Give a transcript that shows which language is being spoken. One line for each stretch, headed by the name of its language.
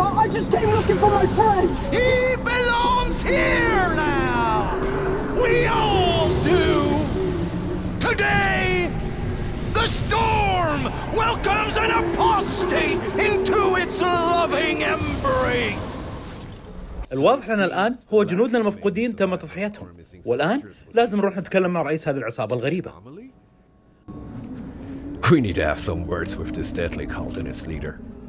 English: I just came looking for my friend! He belongs here now! We all do! Today, the storm welcomes an apostate into its loving embrace!
Arabic: الواضح لنا الآن هو جنودنا المفقودين تم تضحيتهم، والآن لازم نروح نتكلم مع رئيس هذه العصابة الغريبة.
English: We need to have some words with this deadly cult and its leader.